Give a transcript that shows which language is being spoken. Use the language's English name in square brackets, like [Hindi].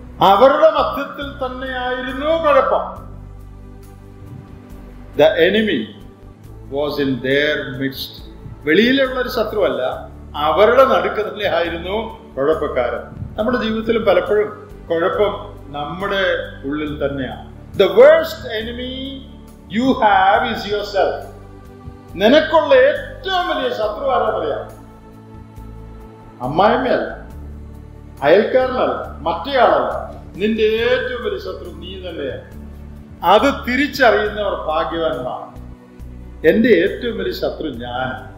[Malayalam] അവരുടെ മധ്യത്തിൽ തന്നെയായിരുന്നു കുഴപ്പം. [English] The enemy was in their midst. [Malayalam] വെളിയിലുള്ള ഒരു ശത്രുവല്ല, അവരുടെ നടുക്ക് തന്നെയായിരുന്നു കുഴപ്പക്കാരൻ. നമ്മുടെ ജീവിതത്തിലും പലപ്പോഴും കുഴപ്പം നമ്മുടെ ഉള്ളിൽ തന്നെയാണ്. [English] The worst enemy you have is yourself. [Malayalam] നിനക്കുള്ള ഏറ്റവും വലിയ ശത്രു ആരാ പറയാ? അമ്മായിമ്മയല്ല, അയൽക്കാരനല്ല, മറ്റേയാളല്ല, നിന്റെ ഏറ്റവും വലിയ ശത്രു നീ തന്നെയാണ്. അത് തിരിച്ചറിയുന്നവർ ഭാഗ്യവാന്മാർ. എന്റെ ഏറ്റവും വലിയ ശത്രു ഞാൻ.